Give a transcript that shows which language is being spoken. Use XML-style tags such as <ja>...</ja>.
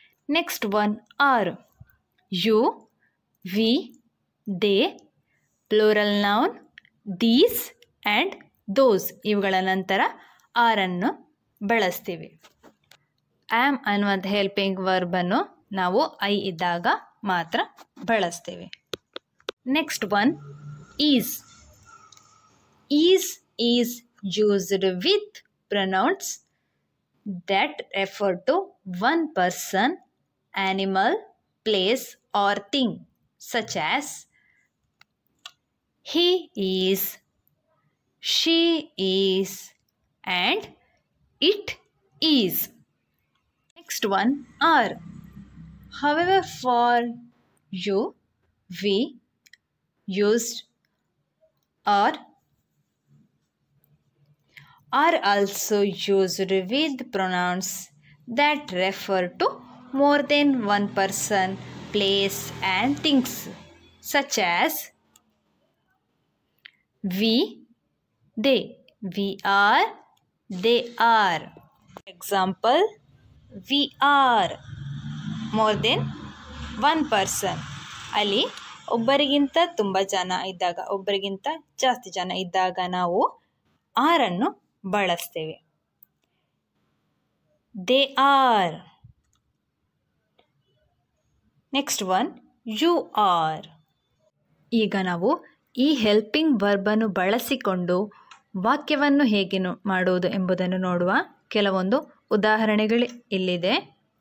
<en>Next one, are. You, we, they, plural noun these and those.</en> <kn>ಇವುಗಳ ನಂತರ ಆರನ್ನು ಬಳಸ್ತೀವಿ. Am ಅನ್ನುವಂಥ ಹೆಲ್ಪಿಂಗ್ ವರ್ಬನ್ನು ನಾವು ಐ ಇದ್ದಾಗ ಮಾತ್ರ ಬಳಸ್ತೇವೆ.</kn> <en>Next one, is. Is is used with pronouns that refer to one person, animal, place or thing, such as he is, she is and it is. Next one, are. However, for you, we used are. Are also used with pronouns that refer to more than one person, place and things, such as we, they, we are, they are. Example, we are more than one person.</en> <kn>Ali, ಒಬ್ಬರಿಗಿಂತ ತುಂಬ ಜನ ಇದ್ದಾಗ, ಒಬ್ಬರಿಗಿಂತ ಜಾಸ್ತಿ ಜನ ಇದ್ದಾಗ ನಾವು ಆರನ್ನು ಬಳಸ್ತೇವೆ.</kn> <en>They are. Next one, you are.</en> <kn>ಈಗ ನಾವು ಈ ಹೆಲ್ಪಿಂಗ್ ವರ್ಬನ್ನು ಬಳಸಿಕೊಂಡು ವಾಕ್ಯವನ್ನು ಹೇಗೆ ಮಾಡುವುದು ಎಂಬುದನ್ನು ನೋಡುವ ಕೆಲವೊಂದು ಉದಾಹರಣೆಗಳು ಇಲ್ಲಿದೆ.</kn>